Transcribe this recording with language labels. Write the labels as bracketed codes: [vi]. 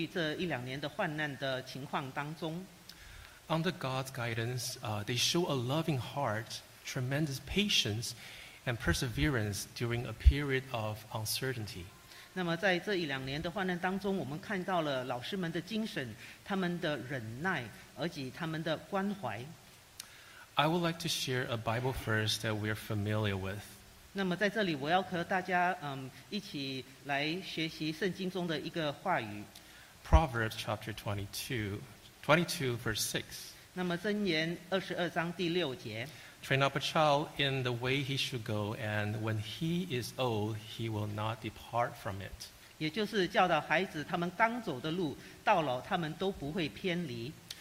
[zh] 那么在这里我们也要代表所有的家长们在这里向所有的老师们致谢，也就是在过去这一两年的患难的情况当中。 [en] Under God's guidance, they show a loving heart, tremendous patience, and perseverance during a period of uncertainty. [zh] 那么在这一两年的患难当中，我们看到了老师们的精神，他们的忍耐，而且他们的关怀。 [en] I would like to share a Bible verse that we are familiar with. [zh] 那么在这里我要和大家, 一起来学习圣经中的一个话语。 [en] Proverbs chapter 22 verse 6. [zh] 那么箴言22章第6节。 [en] Train up a child in the way he should go, and when he is old, he will not depart from it. [zh] 也就是教导孩子他们刚走的路，到老他们都不会偏离。